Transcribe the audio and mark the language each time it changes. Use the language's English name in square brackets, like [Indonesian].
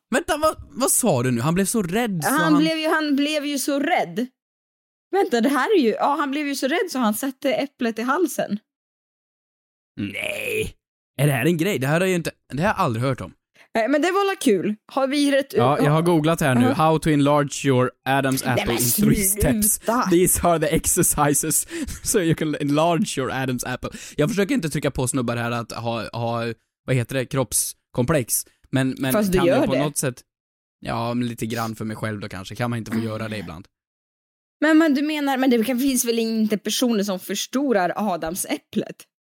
[Swedish] Vänta, vad sa du nu? Han blev så rädd. Ja, han blev ju så rädd. Vänta, det här är ju... Ja, han blev ju så rädd så han satte äpplet i halsen. Nej. Är det här en grej? Det här har jag inte, det har jag aldrig hört om. Nej, men det var la kul. Har vi rätt? Ja, jag har googlat här nu. [English] How to enlarge your Adam's apple in three steps. These are the exercises so you can enlarge your Adam's apple. [Swedish] Jag försöker inte trycka på snubbar här att ha vad heter det, kroppskomplex. Men fast kan du gör på det något sätt. Ja, lite grann för mig själv då kanske. Kan man inte få göra det ibland? Men du menar, men det finns väl inte personer som förstorar Adams äpplet.